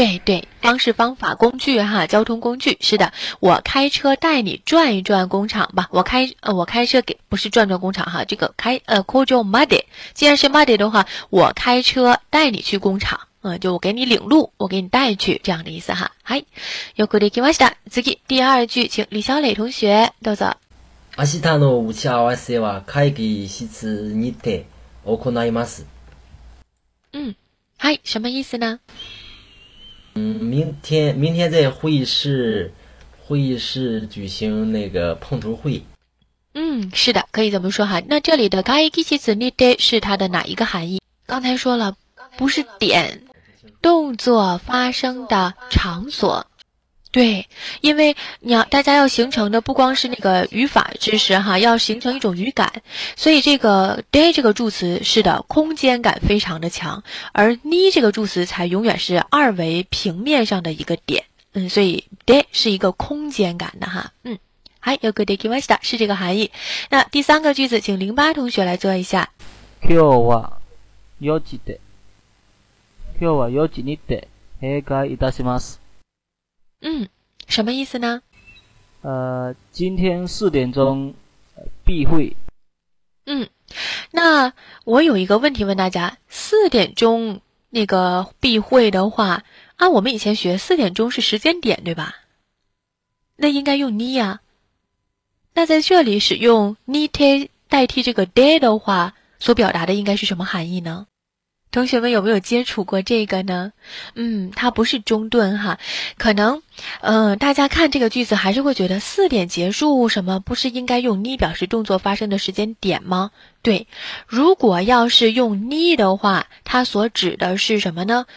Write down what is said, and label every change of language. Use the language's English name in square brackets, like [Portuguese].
[Chinese] 对对，方式方法工具哈，交通工具，是的，我开车带你转一转工厂吧，我开车给，不是转转工厂哈，这个开工厂まで，既然是まで的话，我开车带你去工厂，就我给你领路，我给你带去，这样的意思哈。 [Japanese] 嗨，よくできました。 [Chinese] 次第二句，请李小磊同学どうぞ。 [Japanese] 明日の打ち合わせは会議室にて行います。 [Chinese] 嗯，嗨，什么意思呢？明天在会议室举行那个碰头会。嗯，是的，可以这么说哈。那这里的会议室にて是它的哪一个含义？刚才说了，不是点。动作发生的场所，对，因为你要大家要形成的不光是那个语法知识哈，要形成一种语感，所以这个 day 这个助词是的，空间感非常的强，而 ni 这个助词才永远是二维平面上的一个点，嗯，所以 day 是一个空间感的哈，嗯， [Japanese] はい、よくできました， [Chinese] 是这个含义。那第三个句子，请08同学来做一下。 [Japanese] 今日は4時で。今日は4時にて閉会いたします。 [Chinese] 嗯，什么意思呢？今天四点钟闭会。嗯，那我有一个问题问大家：四点钟那个闭会的话，按我们以前学，四点钟是时间点对吧？那应该用にや。那在这里使用にて代替这个 day 的话，所表达的应该是什么含义呢？同学们有没有接触过这个呢？嗯，它不是中顿哈，可能，大家看这个句子还是会觉得四点结束什么，不是应该用に表示动作发生的时间点吗？对，如果要是用に的话，它所指的是什么呢？